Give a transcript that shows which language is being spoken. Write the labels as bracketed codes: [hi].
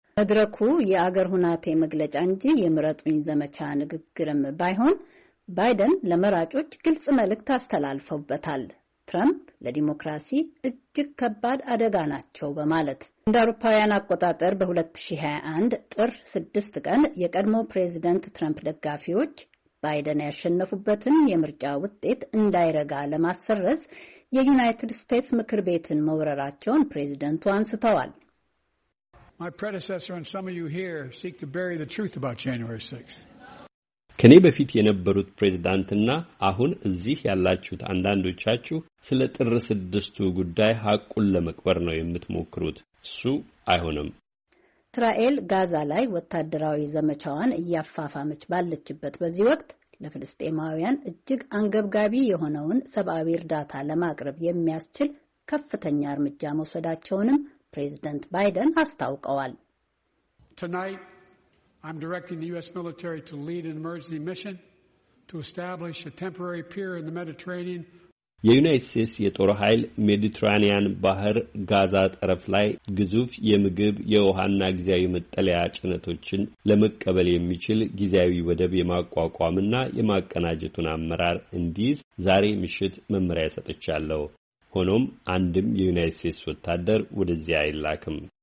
[am] መድረኩ የአገር ሁናቴ መግለጫ እንጂ የምረጡኝ ዘመቻ ንግግርም ባይሆን ባይደን ለመራጮች ግልጽ መልእክት አስተላልፈውበታል። ትራምፕ ለዲሞክራሲ እጅግ ከባድ አደጋ ናቸው በማለት እንደ አውሮፓውያን አቆጣጠር በ2021 ጥር 6 ቀን የቀድሞ ፕሬዝዳንት ትራምፕ ደጋፊዎች ባይደን ያሸነፉበትን የምርጫ ውጤት እንዳይረጋ ለማሰረዝ የዩናይትድ ስቴትስ ምክር ቤትን መወረራቸውን ፕሬዝዳንቱ አንስተዋል። [en] My predecessor and some of you here seek to bury the truth about January 6th. [am] ከኔ በፊት የነበሩት ፕሬዝዳንትና አሁን እዚህ ያላችሁት አንዳንዶቻችሁ ስለ ጥር 6ቱ ጉዳይ ሐቁን ለመቅበር ነው የምትሞክሩት። እሱ አይሆንም። እስራኤል ጋዛ ላይ ወታደራዊ ዘመቻዋን እያፋፋመች ባለችበት በዚህ ወቅት ለፍልስጤማውያን እጅግ አንገብጋቢ የሆነውን ሰብአዊ እርዳታ ለማቅረብ የሚያስችል ከፍተኛ እርምጃ መውሰዳቸውንም ፕሬዝዳንት ባይደን አስታውቀዋል። [en] Tonight I'm directing the US military to lead an emergency mission to establish a temporary pier in the Mediterranean. [am] የዩናይትድ ስቴትስ የጦር ኃይል ሜዲትራኒያን ባህር ጋዛ ጠረፍ ላይ ግዙፍ የምግብ የውሃና ጊዜያዊ መጠለያ ጭነቶችን ለመቀበል የሚችል ጊዜያዊ ወደብ የማቋቋምና የማቀናጀቱን አመራር እንዲይዝ ዛሬ ምሽት መመሪያ ሰጥቻለሁ። ሆኖም አንድም የዩናይትድ ስቴትስ ወታደር ወደዚያ አይላክም።